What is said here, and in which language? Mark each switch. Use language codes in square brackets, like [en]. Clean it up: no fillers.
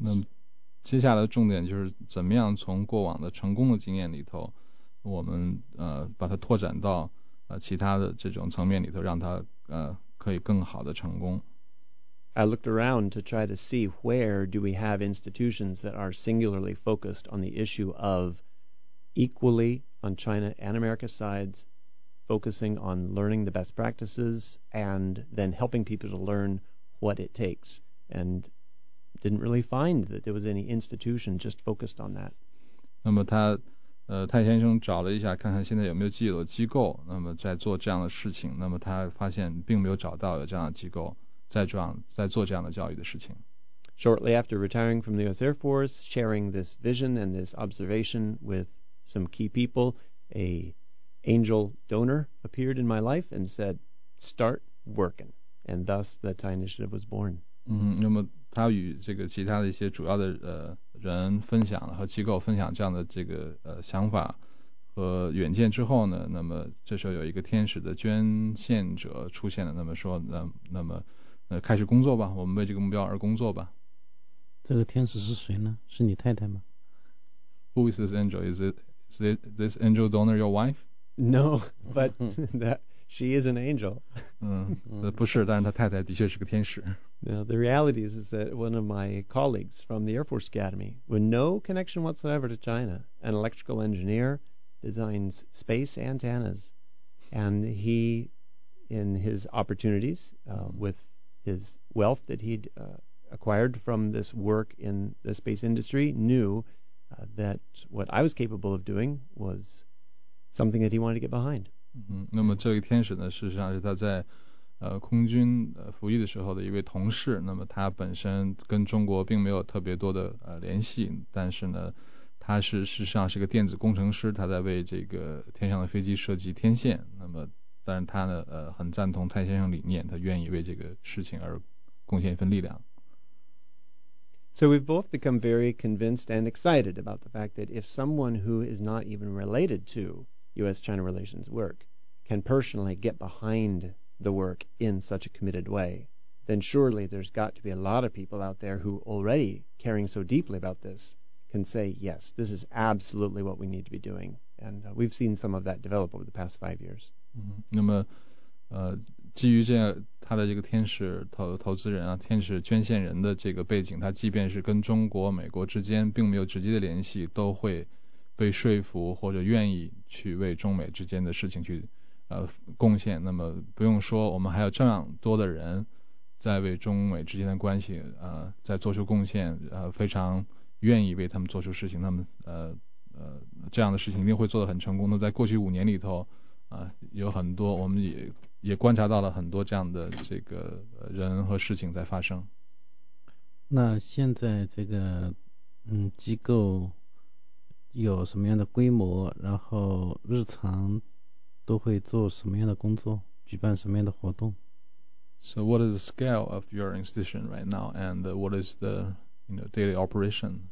[zh] 那接下来的重点就是怎么样从过往的成功的经验里头，我们把它拓展到其他的这种层面里头，让它可以更好的成功。 [en] I looked around to try to see where do we have institutions that are singularly focused on the issue of equally on China and America sides. Focusing on learning the best practices and then helping people to learn what it takes, and didn't really find that there was any institution just focused on that. [zh] 那么他泰先生找了一下，看看现在有没有既有的机构，那么在做这样的事情，那么他发现并没有找到有这样的机构在做这样的教育的事情。 [en] Shortly after retiring from the US Air Force, sharing this vision and this observation with some key people, an angel donor appeared in my life and said, start working. And thus the Thai Initiative was born. [zh] 那么他与这个其他的一些主要的人分享了和机构分享这样的这个想法和远见之后呢，那么这时候有一个天使的捐献者出现了，那么说那么开始工作吧，我们为这个目标而工作吧。这个天使是谁呢？是你太太吗？ [en] Who is this angel? Is this angel donor your wife? No, but that she is an angel. [zh] 不是，但是她太太的确是个天使。 [en] Now, the reality is that one of my colleagues from the Air Force Academy, with no connection whatsoever to China, an electrical engineer, designs space antennas. And he, in his opportunities, with his wealth that he'd acquired from this work in the space industry, knew that what I was capable of doing was something that he wanted to get behind. [zh] 那么这个天使呢，事实上是他在空军服役的时候的一位同事，那么他本身跟中国并没有特别多的联系，但是呢他是事实上是个电子工程师，他在为这个天上的飞机设计天线，那么但是他呢很赞同泰先生理念，他愿意为这个事情而贡献一份力量。 [en] So we've both become very convinced and excited about the fact that if someone who is not even related to U.S.-China relations work can personally get behind the work in such a committed way, then surely there's got to be a lot of people out there who already caring so deeply about this can say, yes, this is absolutely what we need to be doing. And we've seen some of that develop over the past 5 years. [zh] 那么基于这样他的这个天使投资人啊，天使捐献人的这个背景，他即便是跟中国美国之间并没有直接的联系，都会被说服或者愿意去为中美之间的事情去贡献，那么不用说我们还有这样多的人在为中美之间的关系在做出贡献，非常愿意为他们做出事情，那么这样的事情一定会做得很成功的。在过去五年里头有很多我们也观察到了很多这样的这个人和事情在发生。那现在这个机构有什么样的规模，然后日常都会做什么样的工作，举办什么样的活动？ [en] So what is the scale of your institution right now, and what is the daily operation?